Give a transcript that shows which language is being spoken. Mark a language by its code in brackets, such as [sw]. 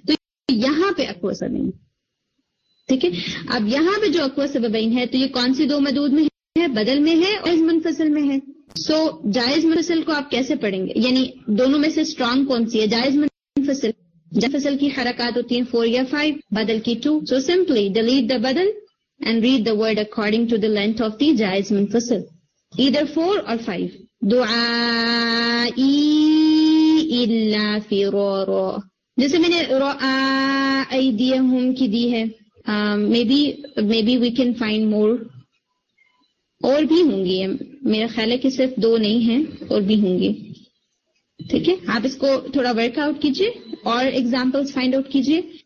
[ur] تو یہاں پہ اقوا سببین. ٹھیک ہے, اب یہاں پہ جو اقوا سببین ہے تو یہ کون سی دو مدود میں ہے, بدل میں ہے اور منفصل میں ہے. سو جائز منفصل کو آپ کیسے پڑھیں گے, یعنی دونوں میں سے اسٹرانگ کون سی ہے؟ جائز منفصل, فصل کی حرکات ہوتی ہیں 4 یا 5, بدل کی 2. [en] So simply delete the بدل and read the word according to the length of the جائز منفصل, either 4 or 5. [ur] دعا الا فی رو رو, جیسے میں نے رو ایدیہم کی دی ہے, [en] maybe we can find more, [ur] اور بھی ہوں گی. میرا خیال ہے کہ صرف دو نہیں ہیں, اور بھی ہوں گی. ٹھیک ہے, آپ اس کو تھوڑا ورک آؤٹ کیجیے اور ایگزامپلس فائنڈ آؤٹ کیجیے.